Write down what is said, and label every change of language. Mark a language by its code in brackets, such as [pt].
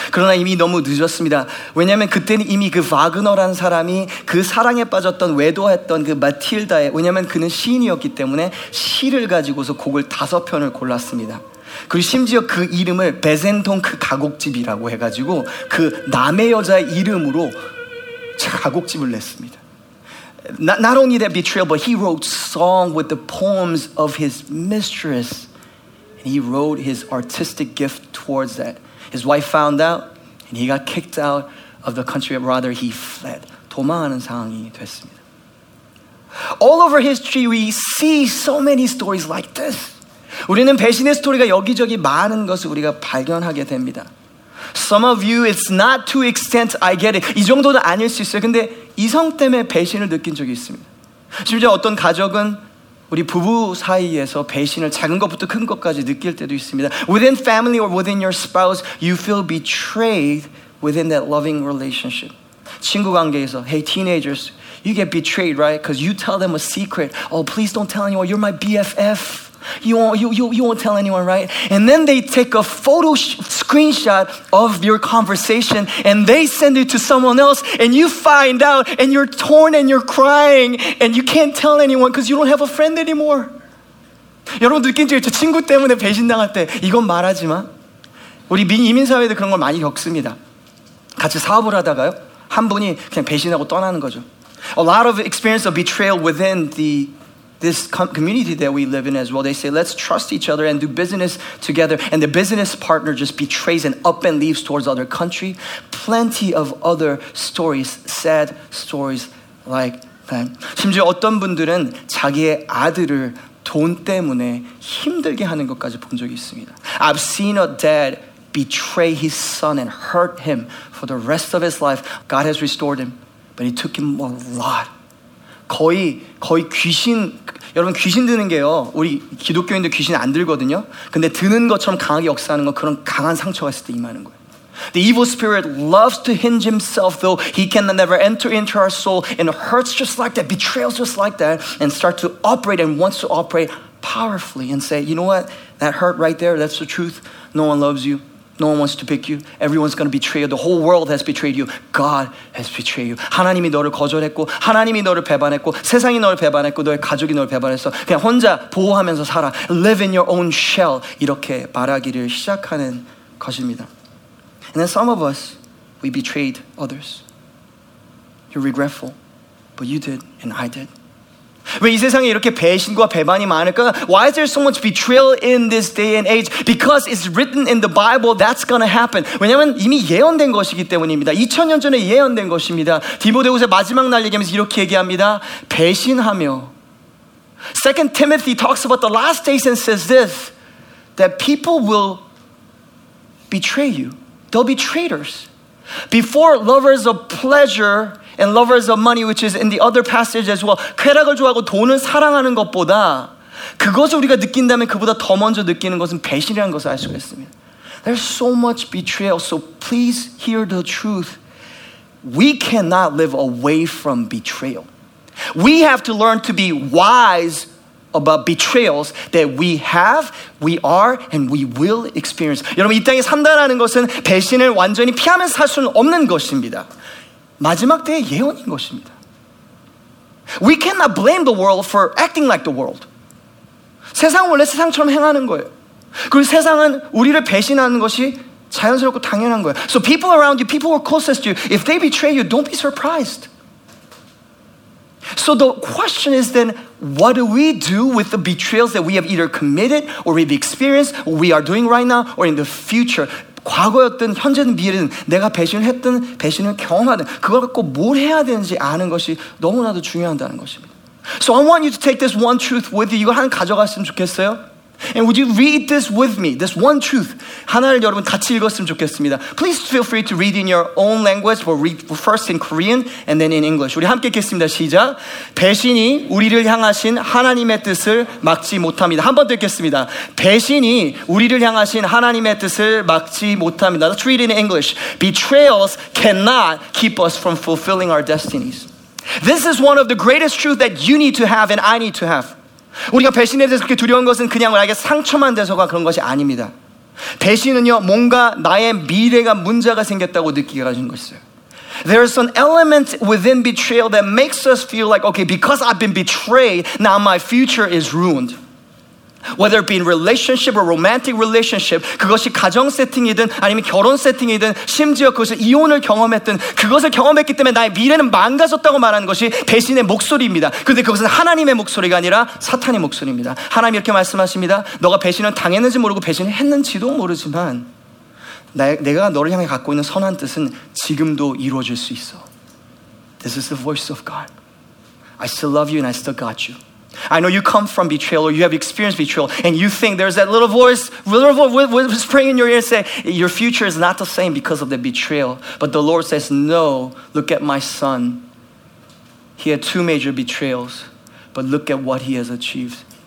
[ko] 그러나 이미 너무 늦었습니다. 왜냐하면 그때는 이미 그 와그너라는 사람이 그 사랑에 빠졌던 외도했던 그 마틸다의, 왜냐하면 그는 시인이었기 때문에 시를 가지고서 곡을 다섯 편을 골랐습니다. 그리고 심지어 그 이름을 베젠동크 가곡집이라고 해가지고 그 남의 여자의 이름으로 가곡집을 냈습니다. [en] Not only that betrayal, but he wrote song with the poems of his mistress. And he wrote his artistic gift towards that. His wife found out, and he got kicked out of the country. Rather, he fled. [ko] 도망하는 상황이 됐습니다. [en] All over history, we see so many stories like this. [ko] 우리는 배신의 스토리가 여기저기 많은 것을 우리가 발견하게 됩니다. [en] Some of you, it's not to extent, I get it. [ko] 이 정도는 아닐 수 있어요. 근데 이성 때문에 배신을 느낀 적이 있습니다. 심지어 어떤 가족은 우리 부부 사이에서 배신을 작은 것부터 큰 것까지 느낄 때도 있습니다. [en] Within family or within your spouse, you feel betrayed within that loving relationship. [ko] 친구 관계에서 [en] Hey teenagers, you get betrayed, right? Because you tell them a secret. Oh, please don't tell anyone. You're my BFF. You won't tell anyone, right? And then they take a photo screenshot of your conversation and they send it to someone else and you find out and you're torn and you're crying and you can't tell anyone because you don't have a friend anymore. [ko] 여러분 느낀 적 있죠? 친구 때문에 배신당할 때 이건 말하지 마. 우리 이민 사회도 그런 걸 많이 겪습니다. 같이 사업을 하다가요 한 분이 그냥 배신하고 떠나는 거죠. [en] A lot of experience of betrayal within this community that we live in as well. They say, let's trust each other and do business together. And the business partner just betrays and up and leaves towards other country. Plenty of other stories, sad stories like that. [ko] 심지어 어떤 분들은 자기의 아들을 돈 때문에 힘들게 하는 것까지 본 적이 있습니다. [en] I've seen a dad betray his son and hurt him for the rest of his life. God has restored him, but it took him a lot. [ko] 거의 귀신, 여러분 귀신 드는 게요. 우리 기독교인들 귀신 안 들거든요. 근데 드는 것처럼 강하게 역사하는 건 그런 강한 상처가 있을 때 임하는 거예요. [en] The evil spirit loves to hinge himself though he can never enter into our soul and hurts just like that, betrayals just like that and start to operate and wants to operate powerfully and say, you know what? That hurt right there, that's the truth. No one loves you. No one wants to pick you. Everyone's going to betray you. The whole world has betrayed you. God has betrayed you. [ko] 하나님이 너를 거절했고 하나님이 너를 배반했고 세상이 너를 배반했고 너의 가족이 너를 배반했어. 그냥 혼자 보호하면서 살아. [en] Live in your own shell. [ko] 이렇게 말하기를 시작하는 것입니다. [en] And then some of us, we betrayed others. You're regretful. But you did and I did. [ko] 왜 이 세상에 이렇게 배신과 배반이 많을까? [en] Why is there so much betrayal in this day and age? Because it's written in the Bible that's gonna happen. [ko] 왜냐면 이미 예언된 것이기 때문입니다. 2000년 전에 예언된 것입니다. 디모데후서 마지막 날 얘기하면서 이렇게 얘기합니다. 배신하며 [en] 2 Timothy talks about the last days and says this that people will betray you. They'll be traitors. Before lovers of pleasure and lovers of money, which is in the other passage as well. [ko] 쾌락을 좋아하고 돈을 사랑하는 것보다 그것을 우리가 느낀다면 그보다 더 먼저 느끼는 것은 배신이라는 것을 알 수가 있습니다. [en] There's so much betrayal, so please hear the truth. We cannot live away from betrayal. We have to learn to be wise about betrayals that we have, we are, and we will experience. [ko] 여러분, 이 땅에 산다라는 것은 배신을 완전히 피하면서 살 수는 없는 것입니다. 마지막 때의 예언인 것입니다. [en] We cannot blame the world for acting like the world. [ko] 세상은 원래 세상처럼 행하는 거예요. 그리고 세상은 우리를 배신하는 것이 자연스럽고 당연한 거예요. [en] So people around you, people who are closest to you, if they betray you, don't be surprised. So the question is then, what do we do with the betrayals that we have either committed or we've experienced, or we are doing right now, or in the future? [ko] 과거였든 현재든 미래든 내가 배신을 했든 배신을 경험하든 그걸 갖고 뭘 해야 되는지 아는 것이 너무나도 중요하다는 것입니다. [en] So I want you to take this one truth with you. [ko] 이거 하나 가져갔으면 좋겠어요. [en] And would you read this with me? This one truth. [ko] 하나를 여러분 같이 읽었으면 좋겠습니다. [en] Please feel free to read in your own language or read first in Korean and then in English. [ko] 우리 함께 읽겠습니다. 시작. 배신이 우리를 향하신 하나님의 뜻을 막지 못합니다. 한 번 더 읽겠습니다. 배신이 우리를 향하신 하나님의 뜻을 막지 못합니다. [en] Let's read in English. Betrayals cannot keep us from fulfilling our destinies. This is one of the greatest truths that you need to have and I need to have. [ko] 우리가 배신에 대해서 그렇게 두려운 것은 그냥 나에게 상처만 돼서가 그런 것이 아닙니다. 배신은요, 뭔가 나의 미래가 문제가 생겼다고 느끼게 하는 것이에요. [en] There is an element within betrayal that makes us feel like, okay, because I've been betrayed, now my future is ruined. Whether it be in relationship or romantic relationship, [ko] 그것이 가정 세팅이든 아니면 결혼 세팅이든 심지어 그것을 이혼을 경험했든 그것을 경험했기 때문에 나의 미래는 망가졌다고 말하는 것이 배신의 목소리입니다. 그런데 그것은 하나님의 목소리가 아니라 사탄의 목소리입니다. 하나님 이렇게 말씀하십니다. 너가 배신을 당했는지 모르고 배신을 했는지도 모르지만 내가 너를 향해 갖고 있는 선한 뜻은 지금도 이루어질 수 있어. [en] This is the voice of God. I still love you and I still got you. I know you come from betrayal or you have experienced betrayal and you think there's that little voice whispering in your ear saying your future is not the same because of the betrayal. But the Lord says, no, look at my son. He had two major betrayals, but look at what he has achieved.